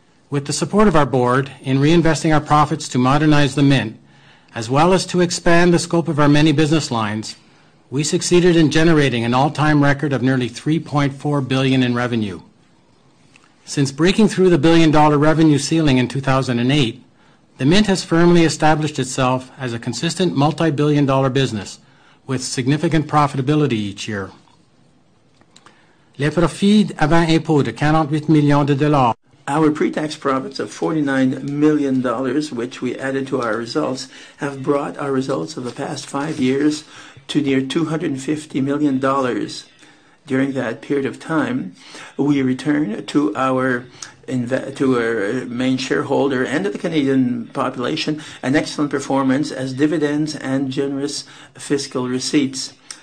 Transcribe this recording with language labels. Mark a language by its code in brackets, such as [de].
[en] With the support of our board in reinvesting our profits to modernize the Mint, as well as to expand the scope of our many business lines, we succeeded in generating an all-time record of nearly $3.4 billion in revenue. Since breaking through the billion-dollar revenue ceiling in 2008, the Mint has firmly established itself as a consistent multi-billion dollar business with significant profitability each year. [fr] Les profits avant impôts de 48 millions de dollars. [en] Our pre-tax profits of $49 million, which we added to our results, have brought our results of the past 5 years to near $250 million. During that period of time, we return to our main shareholder and to the Canadian population an excellent performance as dividends and generous fiscal receipts.